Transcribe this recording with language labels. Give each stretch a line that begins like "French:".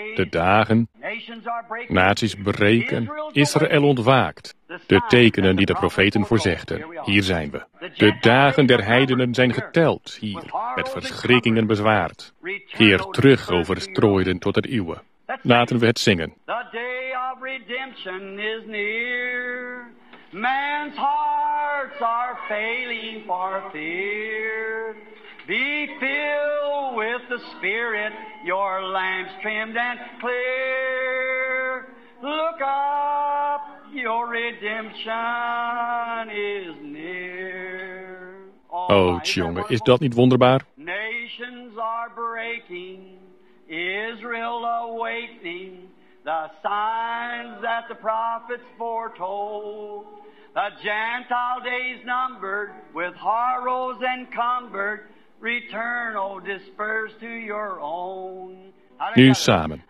Dutch: De dagen, naties breken, Israël ontwaakt. De tekenen die de profeten voorzegden, hier zijn we. De dagen der heidenen zijn geteld, hier, met verschrikkingen bezwaard. Keer terug over strooiden tot het uwe. Laten we het zingen.
English: The day of redemption is near. Man's hearts are failing for fear. Be filled with the Spirit, your lamps trimmed and clear. Look up, your redemption is near.
Dutch: Oh, tjonge, is dat niet wonderbaar?
English: Nations are breaking. Israel awaiting the signs that the prophets foretold. The Gentile days numbered with horrors encumbered. Return, O disperse to your own.
Dutch: Nu samen.